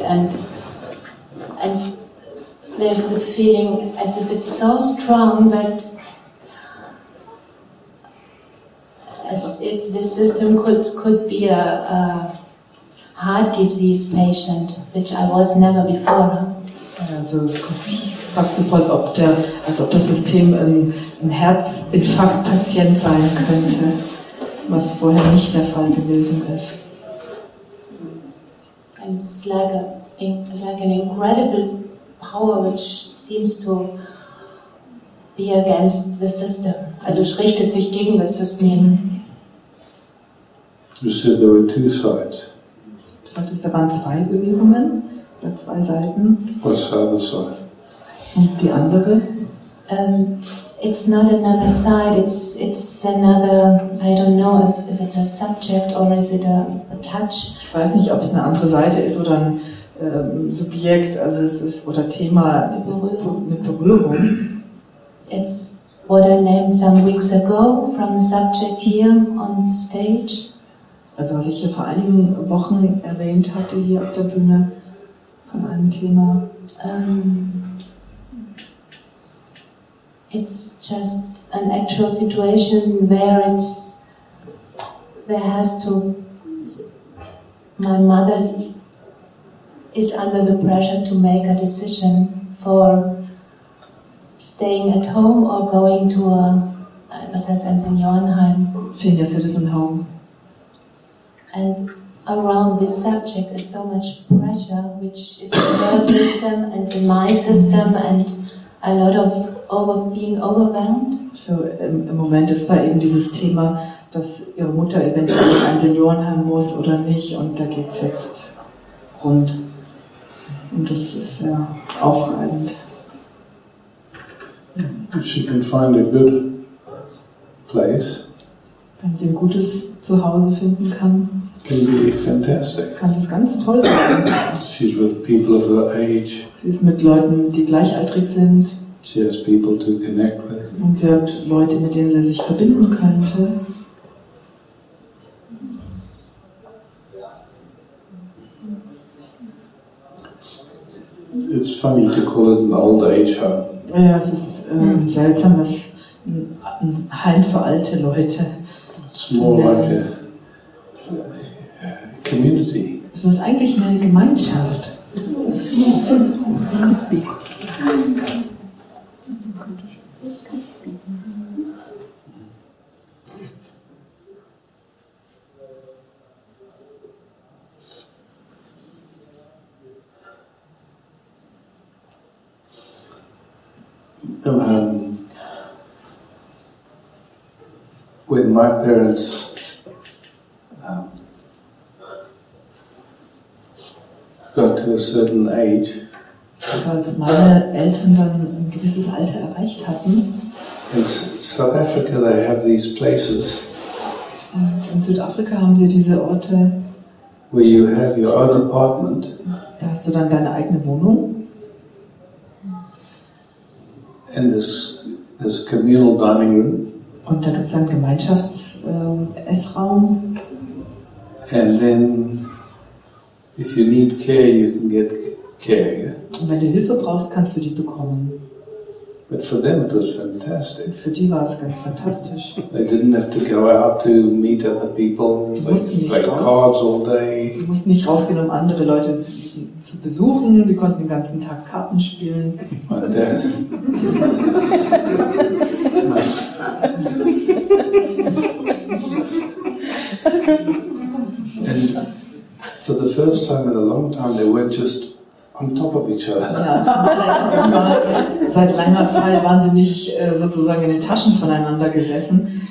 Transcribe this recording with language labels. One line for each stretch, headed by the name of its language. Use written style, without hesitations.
English: And there's the feeling as if it's so strong that as if the system could be a heart disease patient, which I was never before.
German: Also es kommt fast so vor, als ob das System ein Herzinfarktpatient sein könnte, was vorher nicht der Fall gewesen ist.
English: And it's like an incredible power which seems to be against the system.
German: Also es richtet sich gegen das System.
English: You said there were two sides.
German: Du sagtest, da waren zwei Bewegungen oder zwei Seiten.
English: What's the other side?
German: Und die andere?
English: It's not another side. It's another. I don't know if it's a subject or is it a touch.
German: Ich weiß nicht, ob es eine andere Seite ist oder ein Subjekt. Also es ist oder Thema. Eine Berührung.
English: It's what I named some weeks ago from the subject here on stage.
German: Also was ich hier vor einigen Wochen erwähnt hatte, hier auf der Bühne, von einem Thema.
English: It's just an actual situation where it's, there has to, my mother is under the pressure to make a decision for staying at home or going to a,
German: was heißt ein Seniorenheim?
English: Senior Citizen Home. And around this subject is so much pressure, which is in your system and in my system, and a lot of being overwhelmed.
German: So im Moment ist da eben dieses Thema, dass ihre Mutter eventuell ein Seniorenheim muss oder nicht, und da geht's jetzt rund. Und das ist ja aufreibend.
English: If she can find a good place.
German: Wenn sie ein gutes Zuhause finden kann,
English: can be fantastic.
German: Kann das ganz toll sein.
English: She's with people of her age.
German: Sie ist mit Leuten, die gleichaltrig sind.
English: She has people to connect with.
German: Und sie hat Leute, mit denen sie sich verbinden könnte.
English: it's funny to call it an old age home.
German: Ja, es ist seltsam, es ein Heim für alte Leute.
English: It's more like a community.
German: Es ist eigentlich eine Gemeinschaft.
English: When my parents got to a certain age,
German: als meine Eltern dann ein gewisses Alter erreicht hatten,
English: in South Africa they have these places.
German: In Südafrika haben sie diese Orte,
English: where you have your own apartment.
German: Da hast du dann deine eigene Wohnung.
English: And this communal dining room.
German: Und da gibt's einen Gemeinschafts-Essraum.
English: And then, if you need care, you can get care. Yeah?
German: Und wenn du Hilfe brauchst, kannst du die bekommen.
English: But for them it was fantastic.
German: Für die war es ganz fantastisch.
English: They didn't have to go out to meet other people.
German: Die mussten nicht rausgehen, um andere Leute zu besuchen. Die konnten den ganzen Tag Karten spielen.
English: And so the first time in a long time they weren't just on top of each other.
German: Ja, zum Mal, seit langer Zeit waren sie nicht sozusagen in den Taschen voneinander gesessen.